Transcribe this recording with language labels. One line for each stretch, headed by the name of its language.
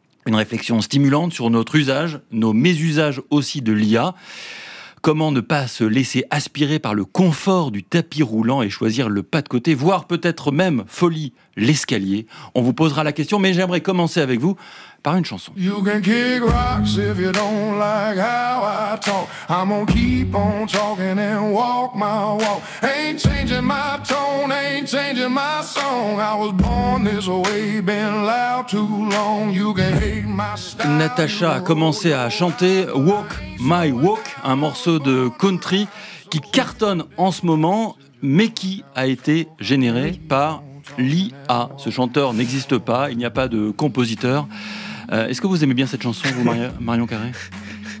French: Une réflexion stimulante sur notre usage, nos mésusages aussi de l'IA. Comment ne pas se laisser aspirer par le confort du tapis roulant et choisir le pas de côté, voire peut-être même, folie, l'escalier. On vous posera la question, mais j'aimerais commencer avec vous par une chanson.
English: You can kick rocks if you don't like how I talk. I'm gonna keep on talking and walk my walk. Ain't changing my tone, ain't changing my song. I was born this way, been loud too long. You can hate my style.
French: Natacha a commencé à chanter Walk My Walk, un morceau de country qui cartonne en ce moment, mais qui a été généré par l'IA. Ce chanteur n'existe pas, il n'y a pas de compositeur. Est-ce que vous aimez bien cette chanson, vous, Marion Carré ?